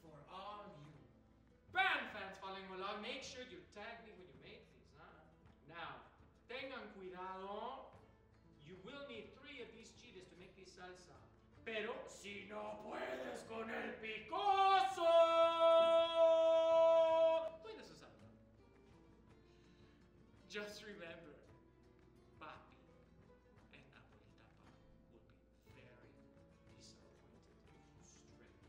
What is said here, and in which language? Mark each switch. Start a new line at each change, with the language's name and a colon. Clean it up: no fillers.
English: Along, make sure you tag me when you make these, huh? Now,
Spanish: tengan cuidado.
English: You will need 3 of these chiles to make this salsa.
Spanish: Pero si no puedes con el picoso, puedes usarlo.
English: Just remember, papi and abuelita pa will be very disappointed if you stray from the recipe.